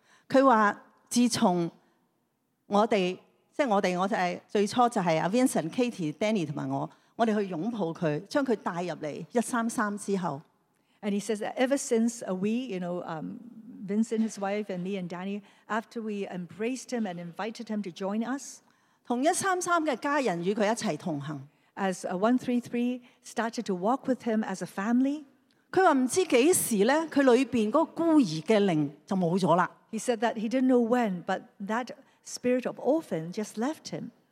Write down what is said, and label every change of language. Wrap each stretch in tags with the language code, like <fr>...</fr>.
<yue>佢话自从我哋即系我哋，我就系最初就系阿 Vincent、 Katie、 Danny 同埋我，我哋去拥抱佢，将佢带入嚟133之后。And</yue> <en>he says that ever since we, you know, Vincent, his wife, and me and Danny, after we embraced him and invited him to join us,</en> <yue>同133嘅家人与佢一齐同行,</yue> <en>as 133 started to walk with him as a family,</en> <yue>佢话唔知几时咧，佢里边嗰个孤儿嘅灵就冇咗啦。</yue> <en>He said that he didn't know when, but that spirit of orphan just left him.</en>